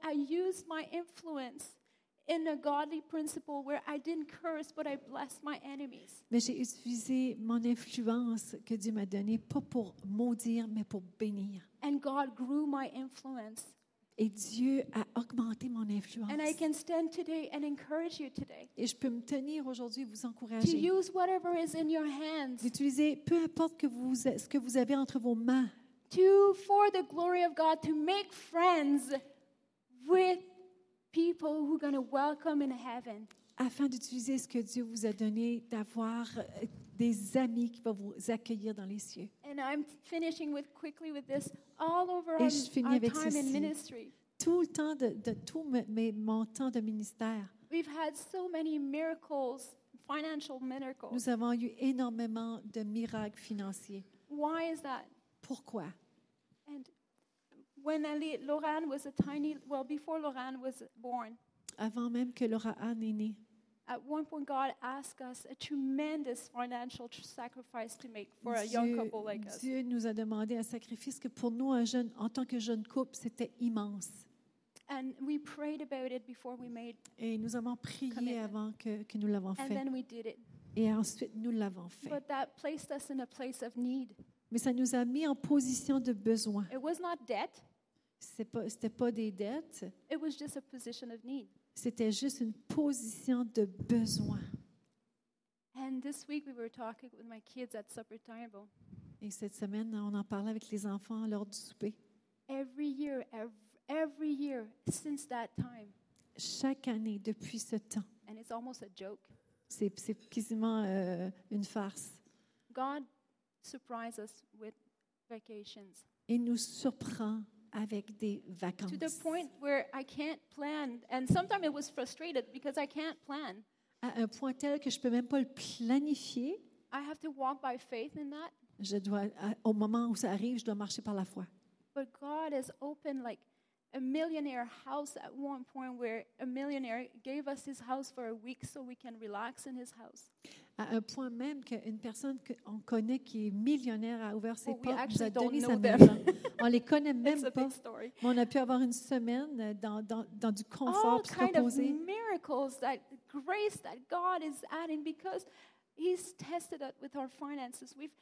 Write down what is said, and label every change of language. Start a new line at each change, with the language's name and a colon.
English: I used my influence in a godly principle where I didn't curse but I blessed my enemies.
French: Mais j'ai utilisé mon influence que Dieu m'a donnée pas pour maudire mais pour bénir.
English: And God grew my influence.
French: Et Dieu a augmenté mon influence.
English: And I can stand today and encourage you today.
French: Et je peux me tenir aujourd'hui et vous encourager.
English: To use whatever is in your hands.
French: D'utiliser peu importe ce que vous avez entre vos mains.
English: To for the glory of God to make friends with people who are going to welcome in heaven.
French: Afin d'utiliser ce que Dieu vous a donné, d'avoir des amis qui vont vous accueillir dans les cieux.
English: And I'm finishing with quickly with this all over our time in ministry.
French: Tout le temps de tout mon temps de ministère.
English: We've had so many miracles, financial miracles.
French: Nous avons eu énormément de miracles financiers.
English: Why is that?
French: Pourquoi?
English: And when Lauren was a tiny, well, before Lauren was born,
French: avant même que Lauren est née,
English: at one point God asked us a tremendous financial sacrifice to make for a young couple like us.
French: Dieu nous a demandé un sacrifice que pour nous, en tant que jeune couple, c'était immense.
English: And we prayed about it before we made.
French: Et nous avons prié commitment. Avant que nous l'avons fait.
English: And then we did it.
French: Et ensuite, nous l'avons fait.
English: But that placed us in a place of need.
French: Mais ça nous a mis en position de besoin.
English: It was not debt.
French: C'était pas des dettes.
English: It was just a position of need.
French: C'était juste une position de besoin.
English: And this week we were talking with my kids at supper table.
French: Et cette semaine, on en parlait avec les enfants lors du souper.
English: Every year since that time.
French: Chaque année depuis ce temps.
English: And it's almost a joke.
French: C'est quasiment une farce.
English: God surprise us with vacations.
French: Il nous surprend avec des vacances.
English: To the point where I can't plan, and sometimes it was frustrated because I can't plan.
French: À un point tel que je peux même pas le planifier.
English: I have to walk by faith in that.
French: Je dois, au moment où ça arrive, je dois marcher par la foi.
English: But God has opened like a millionaire house at one point where a millionaire gave us his house for a week so we can relax in his house.
French: À un point même qu'une personne qu'on connaît qui est millionnaire a ouvert ses
English: well,
French: portes,
English: we
French: donné sa maison. On les connaît même pas. Mais on a pu avoir une semaine dans du confort
English: all
French: pour se reposer.
English: All kind of miracles, that grace that God is adding because He's tested us with our finances.